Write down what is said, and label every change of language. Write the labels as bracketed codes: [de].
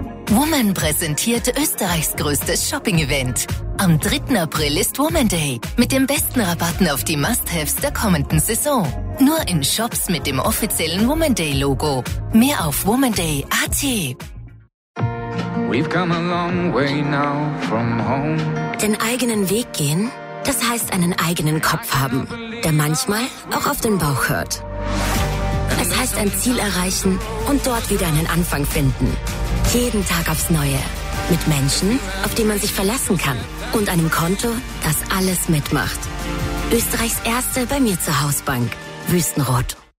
[de] Woman präsentiert Österreichs größtes Shopping-Event. Am 3. April ist Woman Day mit den besten Rabatten auf die Must-Haves der kommenden Saison. Nur in Shops mit dem offiziellen Woman Day-Logo. Mehr auf womanday.at. [en] We've come a long way now from home. [de] Den eigenen Weg gehen, das heißt einen eigenen Kopf haben, der manchmal auch auf den Bauch hört. Es heißt ein Ziel erreichen und dort wieder einen Anfang finden. Jeden Tag aufs Neue. Mit Menschen, auf die man sich verlassen kann. Und einem Konto, das alles mitmacht. Österreichs erste bei mir zur Hausbank. Wüstenrot.